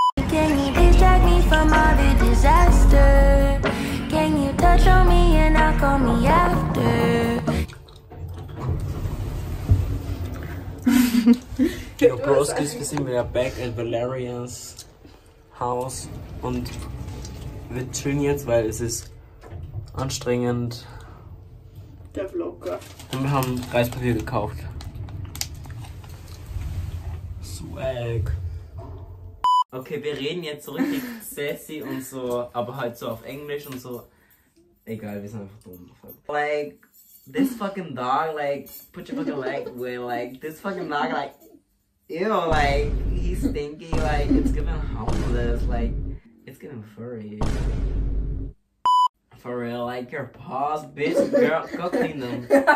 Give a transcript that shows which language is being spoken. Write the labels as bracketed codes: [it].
[en] Can you distract me from all the disaster? Can you touch on me and I'll call me after? [de] Yo, Broskis, wir sind wieder [en] back at Valerians House [de] und wir chillen jetzt, weil es ist anstrengend. Der Vlogger. Und wir haben Reispapier gekauft. Swag. Okay, wir reden jetzt so richtig sassy und so, aber halt so auf Englisch und so. Egal, wir sind einfach dumm. [en] Like, this fucking dog, like, put your fucking leg away, like, this fucking dog, like, ew, like, he's stinky, like, it's giving homeless, like, it's giving furry. For real, like, your paws, bitch, girl, go clean them.